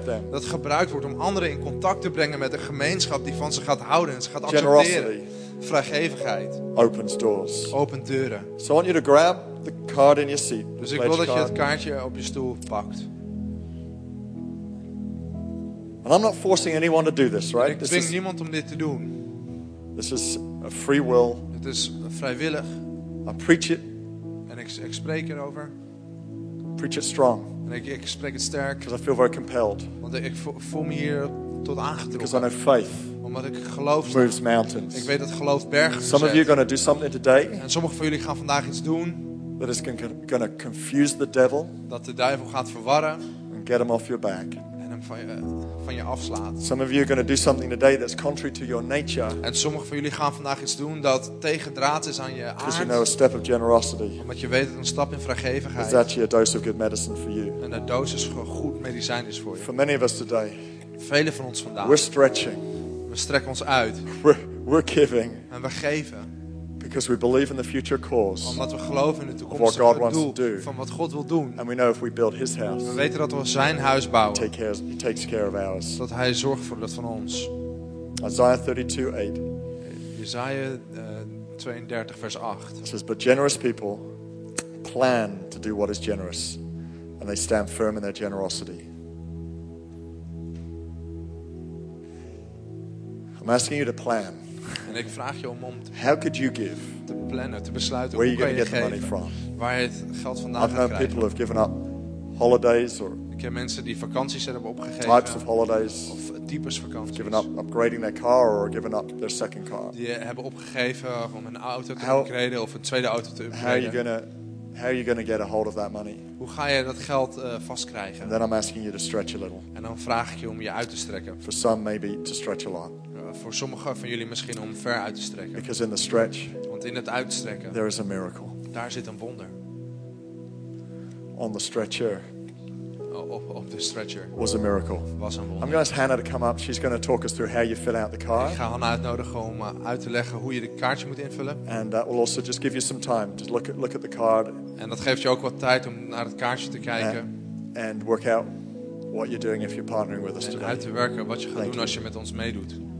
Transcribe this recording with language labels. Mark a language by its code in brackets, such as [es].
[nl] Dat gebruikt wordt om anderen in contact te brengen met een gemeenschap die van ze gaat houden en ze gaat accepteren. [en] Generosity. [nl] Vrijgevigheid. [en] Opens doors. [nl] Opent deuren. [en] So I want you to grab the card in your seat. [nl] Dus ik wil dat je het kaartje op je stoel pakt. [en] And I'm not forcing anyone to do this, right? [nl] Ik dwing niemand om dit te doen. [en] This is a free will. [nl] Het is vrijwillig. [en] I preach it. [nl] En ik spreek erover. [en] Preach it strong. [nl] En ik spreek het sterk. [en] Because I feel very compelled. [nl] Want ik voel me hier tot aangetrokken. [en] Because I know faith. [nl] Omdat ik geloof. [en] Moves mountains. [nl] Ik weet dat geloof bergen verzet. [en] Some of you are going to do something today. [nl] En sommige van jullie gaan vandaag iets doen. [en] That is going to confuse the devil. [nl] Dat de duivel gaat verwarren. [en] And get him off your back. [nl] En hem van je afslaat. [en] Some of you are going to do something today that's contrary to your nature. [nl] En sommige van jullie gaan vandaag iets doen dat tegendraad is aan je aard. [en] Because you know a step of generosity. [nl] Omdat je weet dat een stap in vrijgevigheid. [en] Is that your dose of good medicine for you? [nl] En een dosis van goed medicijn is voor je. [en] For many of us today. [nl] Vele van ons vandaag. [en] We're stretching. [nl] We strekken ons uit. [en] We're giving. [nl] En we geven. [en] Because we believe in the future cause. [nl] Omdat we geloven in de toekomstige doel van wat God wil doen. [en] And we know if we build His house. [nl] We weten dat we zijn huis bouwen. [en] He takes care of ours. [nl] Dat Hij zorgt voor dat van ons. [en] Isaiah 32:8. [nl] Isaiah 32 vers 8. [en] It says, "But generous people plan to do what is generous, and they stand firm in their generosity." I'm asking you to plan. [nl] En ik vraag je om te, [en] how could you give? [nl] Te plannen, te besluiten. [en] Where [nl] hoe [en] are you going to get the money from? [nl] Waar je het geld vandaan [en] I've known [nl] gaat krijgen. [en] People who have given up holidays or. [nl] Ik ken mensen die vakanties hebben opgegeven. [en] Types of holidays. [nl] Of types vakanties. [en] Given up upgrading their car or given up their second car. [nl] Die hebben opgegeven om een auto te upgraden of een tweede auto te upgraden. [en] How are you gonna get a hold of that money? [nl] Hoe ga je dat geld vastkrijgen? [en] And then I'm asking you to stretch a little. [nl] En dan vraag ik je om je uit te strekken. [en] For some maybe to stretch a lot. [nl] Voor sommigen van jullie misschien om ver uit te strekken. [en] Because in the stretch, [nl] want in het uitstrekken, [en] there is a miracle. [nl] Daar zit een wonder. [en] On the stretcher, [nl] op de stretcher, [en] was a miracle. [nl] Was een wonder. [en] I'm going to ask Hannah to come up. She's going to talk us through how you fill out the card. [nl] Ik ga Hannah uitnodigen om uit te leggen hoe je de kaartje moet invullen. [en] And that will also just give you some time. Just look at the card. [nl] En dat geeft je ook wat tijd om naar het kaartje te kijken. [en] And work out what you're doing if you're partnering with us today. [nl] En uit te werken wat je gaat doen als je met ons meedoet.